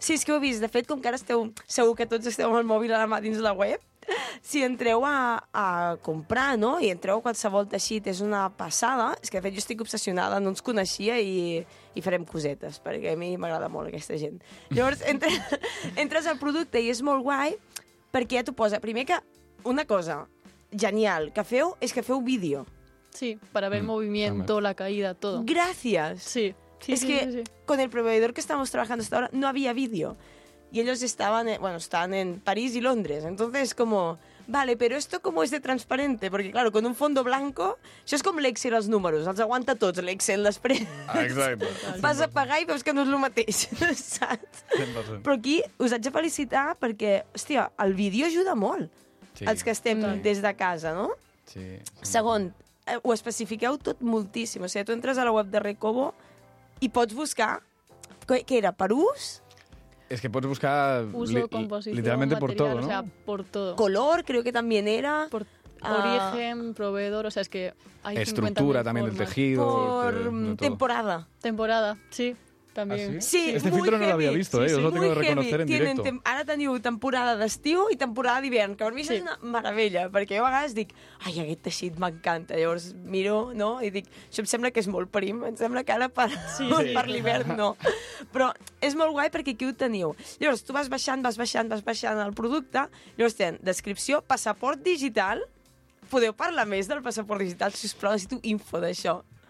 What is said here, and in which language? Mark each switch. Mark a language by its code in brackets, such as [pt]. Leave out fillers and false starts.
[ca] Sí, és que ho he vist. De fet, com que ara esteu... Segur que tots esteu amb el mòbil a la mà dins la web, si entreu a comprar, no?, i entreu a qualsevol teixit, és una passada. És que, de fet, jo estic obsessionada, no ens coneixia i farem cosetes, perquè a mi m'agrada molt aquesta gent. Llavors, entres al producte i és molt guai, perquè ja t'ho posa. Primer que, una cosa genial que feu, és que feu vídeo. [es] Sí, para ver el movimiento, la caída, todo. Gracias. Sí. Sí, es sí, que sí, sí. Con el proveedor que estamos trabajando hasta ahora no había vídeo. Y ellos estaban, estaban en París y Londres. Entonces, como, vale, pero esto como es de transparente. Porque, claro, con un fondo blanco, eso es como l'Excel, los números. Los aguanta todos, l'Excel, las prensas. Exacto. Vas a pagar y [ca] veus [es] que no es lo [ca] mateix. ¿Saps? [es] Pero aquí os [ca] haig [es] de felicitar porque, hostia, el vídeo ayuda [ca] molt. [es] Sí. [ca] Els que estem sí. Des de casa, no? Sí. Segon, ho especifiqueu tot moltíssim. O sigui, tu entres a la web de Recobo i pots buscar... Què era? Per ús? És que pots buscar... Uso, composició, literalment material, per tot, no? [es] O sea, por todo. Color, creo que también era... Por origen, proveedor... O sea, es que hay estructura también del tejido... Por de temporada. Temporada, sí. También. ¿Ah, sí? Sí, este filtro heavy. No lo había visto, sí, ¿eh? Os lo tengo que reconocer heavy. En directo. [ca] Ara teniu temporada d'estiu i temporada d'hivern, que per mi sí. És una meravella, perquè jo a vegades dic, ai, aquest teixit m'encanta. Llavors miro, no?, i dic, això em sembla que és molt prim, em sembla que ara per l'hivern no. Però és molt guai perquè aquí ho teniu. Llavors tu vas baixant el producte, llavors tenen descripció, passaport digital, podeu parlar més del passaport digital, si us plau, necessito info d'això.